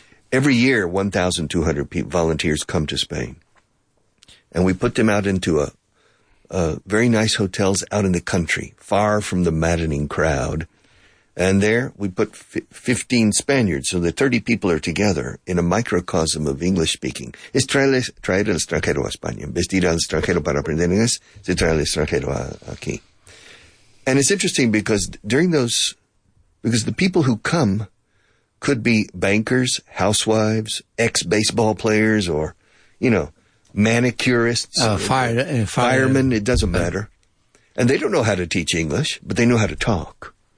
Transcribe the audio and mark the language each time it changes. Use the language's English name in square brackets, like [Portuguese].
[English] Every year, 1,200 volunteers come to Spain. And we put them out into a very nice hotels out in the country, far from the maddening crowd. And there we put 15 Spaniards, so the 30 people are together in a microcosm of English speaking. [Spanish] Es traer el extranjero a España. Vestir al extranjero para aprender inglés, se trae el extranjero aquí. [English] And it's interesting because the people who come could be bankers, housewives, ex-baseball players, or, you know, manicurists, firemen, it doesn't matter. And they don't know how to teach English, but they know how to talk.